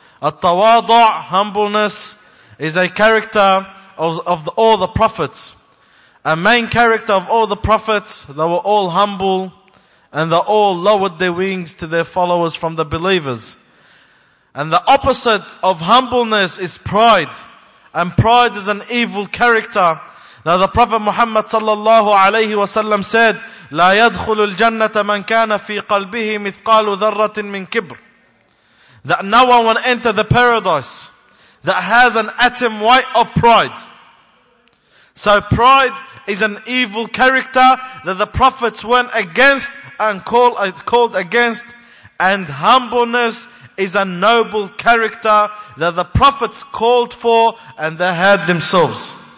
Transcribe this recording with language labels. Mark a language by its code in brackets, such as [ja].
[en] At-tawadu', humbleness, is a character of all the prophets. A main character of all the prophets, they were all humble, and they all lowered their wings to their followers from the believers. And the opposite of humbleness is pride. And pride is an evil character. Now the Prophet Muhammad sallallahu alayhi wa sallam said, [ar] لا يدخل الجنة من كان في قلبه مثقال ذرة من كبر. [en] That no one will enter the paradise that has an atom weight of pride. So pride is an evil character that the prophets went against and called against. And humbleness is a noble character that the prophets called for and they had themselves.